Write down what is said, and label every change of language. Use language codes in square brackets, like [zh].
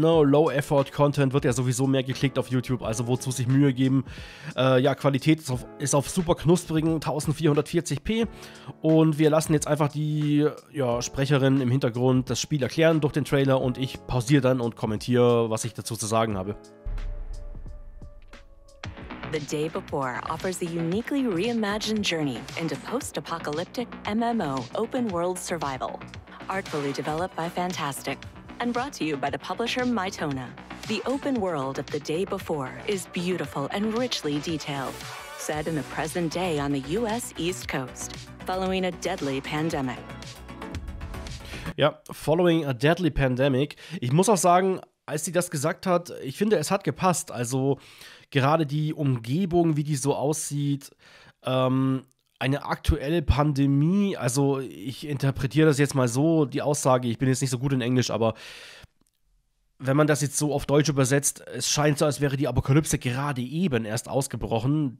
[de] No, Low-Effort-Content wird ja sowieso mehr geklickt auf YouTube, also wozu sich Mühe geben. Qualität ist auf super knusprigen 1440p und wir lassen jetzt einfach die Sprecherin im Hintergrund das Spiel erklären durch den Trailer und ich pausiere dann und kommentiere, was ich dazu zu sagen habe. [en] The Day Before offers a uniquely reimagined journey into post-apocalyptic MMO open-world survival. Artfully developed by Fantastic and brought to you by the publisher Mytona, the open world of The Day Before is beautiful and richly detailed. Set in the present day on the US East Coast, following a deadly pandemic. Ja, following a deadly pandemic. [de] Ich muss auch sagen, als sie das gesagt hat, ich finde, es hat gepasst. Also gerade die Umgebung, wie die so aussieht, eine aktuelle Pandemie, also ich interpretiere das jetzt mal so, die Aussage, ich bin jetzt nicht so gut in Englisch, aber wenn man das jetzt so auf Deutsch übersetzt, es scheint so, als wäre die Apokalypse gerade eben erst ausgebrochen.